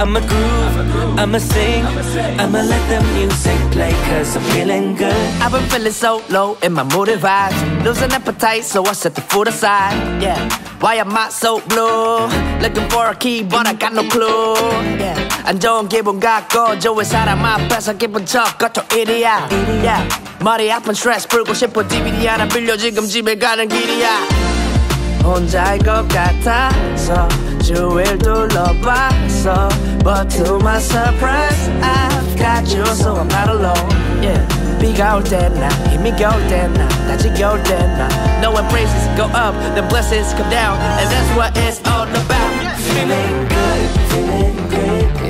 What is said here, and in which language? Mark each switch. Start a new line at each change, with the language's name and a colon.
English: I'ma groove, I'ma sing, I'ma let the music play. Cause I'm feeling good. I've been feeling so low and my mood and vibes. Losing appetite, so I set the food aside, yeah. Why am I so blue? Looking for a key, but I got no clue, yeah.
Korean: 안 좋은 기분 갖고 좋은 사람 앞에서 기분 적어도 일이야, yeah. 머리 아픈 스트레스 풀고 싶어 DVD 하나 빌려 지금 집에 가는 길이야. 혼자일 것 같아서 주위를 둘러봤어.
English: But to my surprise, I've got you, so I'm not alone, yeah.
Korean: 비가 올 때나 힘이 겨울 때나 다 지겨울 때나 너의
English: praises go up, the blessings come down. And that's what it's all about, yeah. Feeling good, feeling great.